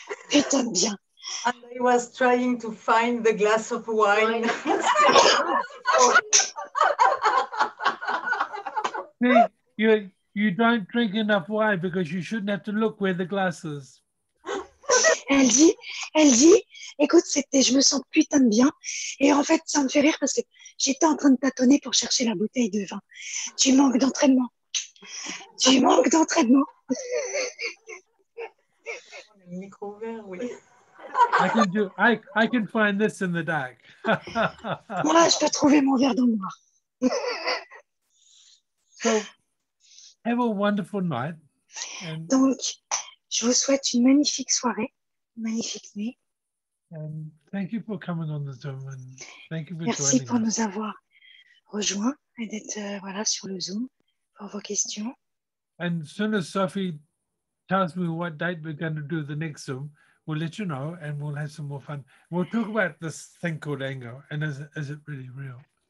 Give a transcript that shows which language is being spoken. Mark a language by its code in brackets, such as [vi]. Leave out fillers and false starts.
[fr] Putain de bien. [en] And I was trying to find the glass of wine. See, you don't drink enough wine because you shouldn't have to look where the glass is. [fr] Elle dit, écoute, je me sens putain de bien. Et en fait, ça me fait rire parce que j'étais en train de tâtonner pour chercher la bouteille de vin. Tu manques d'entraînement. Micro ouvert, oui. [en] I can find this in the dark. [fr] Moi, je peux trouver mon verre dans le noir. [en] So, have a wonderful night. [fr] Donc, je vous souhaite une magnifique soirée. Magnifique nuit. [en] Thank you for coming on the Zoom and thank you for [fr] Merci [en] joining [fr] Nous avoir rejoints et d'être voilà sur le Zoom pour vos questions. [en] And as soon as Sophie tells me what date we're going to do the next Zoom, we'll let you know and we'll have some more fun. We'll talk about this thing called anger and is it really real?